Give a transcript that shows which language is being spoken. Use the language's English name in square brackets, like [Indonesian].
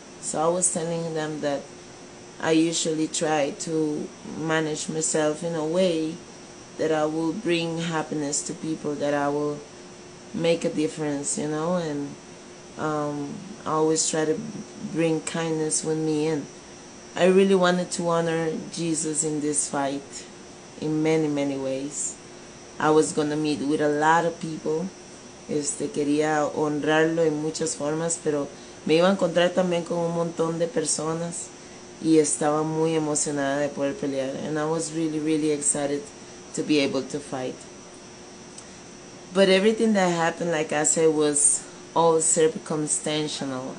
[English] So I was telling them that I usually try to manage myself in a way that I will bring happiness to people, that I will make a difference, you know, and I always try to bring kindness with me in. I really wanted to honor Jesus in this fight in many, many ways. I was going to meet with a lot of people. [Spanish] Quería honrarlo en muchas formas, pero me iba a encontrar también con un montón de personas y estaba muy emocionada de poder pelear. [English] And I was really, really excited to be able to fight. But everything that happened, like I said, was all circumstantial.